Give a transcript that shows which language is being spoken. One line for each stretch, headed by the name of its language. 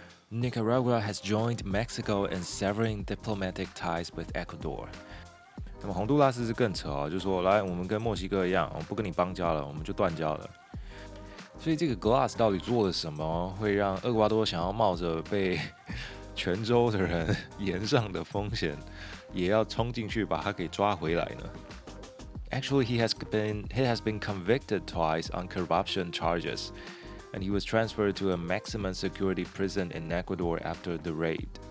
English: Nicaragua has joined Mexico in severing diplomatic ties with Ecuador.
Chinese: 那么洪都拉斯是更扯哦，就说来，我们跟墨西哥一样，我不跟你邦交了，我们就断交了。所以这个 Glass 到底做了什么，会让厄瓜多想要冒着被全州的人延上的风险，也要冲进去把他给抓回来呢？
English: Actually, he has been convicted twice on corruption charges, and he was transferred to a maximum security prison in Ecuador after the raid.